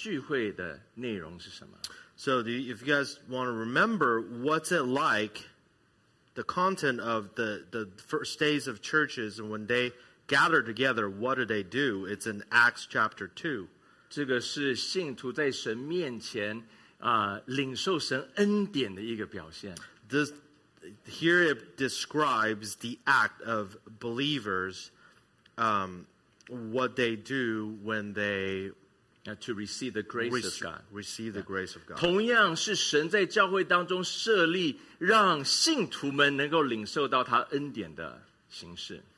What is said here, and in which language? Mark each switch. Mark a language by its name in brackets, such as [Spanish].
[Chinese] 你记得在《使徒行传》第二章第42节那边描述到教会起初建立的时候，他们聚会的内容是什么？ [English] So if you guys want to remember, what's it like? The content of the first days of churches and when they gather together, what do they do? It's in Acts chapter 2. [Chinese] 这个是信徒在神面前领受神恩典的一个表现。 [English] This, here it describes the act of believers, what they do when they to receive the grace of God. Receive the grace of God. [Chinese] 同样是神在教会当中设立，让信徒们能够领受到他恩典的形式。